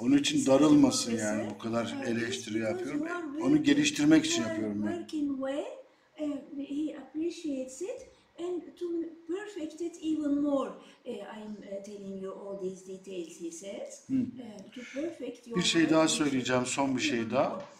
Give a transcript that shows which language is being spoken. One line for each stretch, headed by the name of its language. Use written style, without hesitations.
Turkish: Onun için darılmasın yani, bu kadar eleştiri yapıyorum. Onu geliştirmek için yapıyorum ben.
English: Working well, he appreciates it. And to perfect it even more, I'm telling you all these details, he says. To perfect your.
Turkish: Bir şey daha söyleyeceğim, son bir şey daha.